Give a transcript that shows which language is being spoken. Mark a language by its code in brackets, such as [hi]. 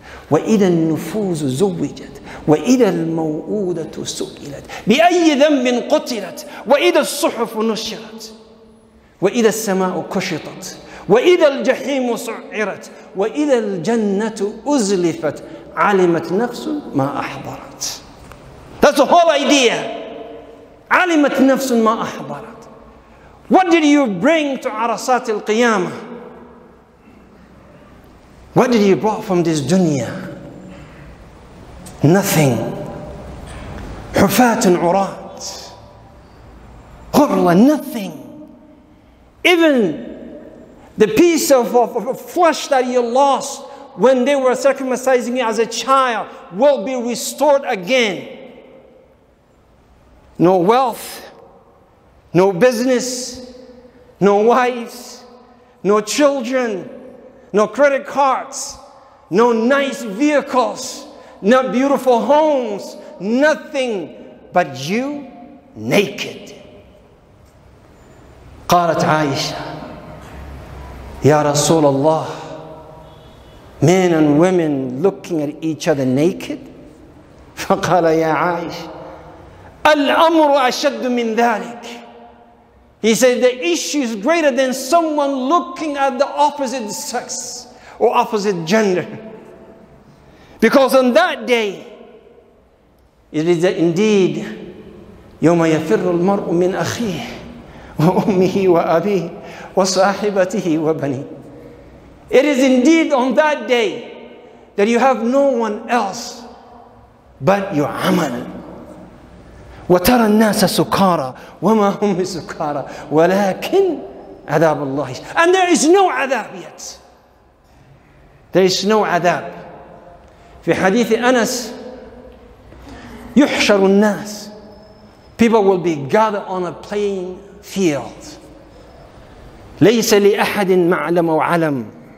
[ar] وإذا النفوس زوجت وإذا الموءودة سئلت بأي ذنب قتلت وإذا الصحف نشرت وإذا السماء كشطت وإذا الجحيم سعرت وإذا الجنة أزلفت علمت نفس ما أحضرت. [en] That's the whole idea. [ar] عَلِمَتْ نَفْسٌ مَا أَحْضَرَتْ. [en] What did you bring to Arasat al-Qiyamah? What did you brought from this dunya? Nothing. [ar] حُفَاتٌ عُرَاتٌ. [en] qurra, nothing. Even the piece of flesh that you lost when they were circumcising you as a child will be restored again. No wealth, no business, no wives, no children, no credit cards, no nice vehicles, no beautiful homes, nothing but you naked. [ar] قالت عائشة يا رسول الله, [en] men and women looking at each other naked. [ar] فقال يا عائشة الأمر أشد من ذلك. [en] He said the issue is greater than someone looking at the opposite sex or opposite gender, because on that day it is indeed [ar] يوم يفر المرء من أخيه وأمه وأبيه وصاحبته وبنيه. [en] It is indeed on that day that you have no one else but your amal. [ar] وترى الناس سكارى وما هم سكارى ولكن عذاب الله. [en] And there is no عذاب yet. There is no عذاب. [ar] في حديث أنس يحشر الناس. [en] People will be gathered on a plain field. [ar] ليس لأحد معلم أو علم.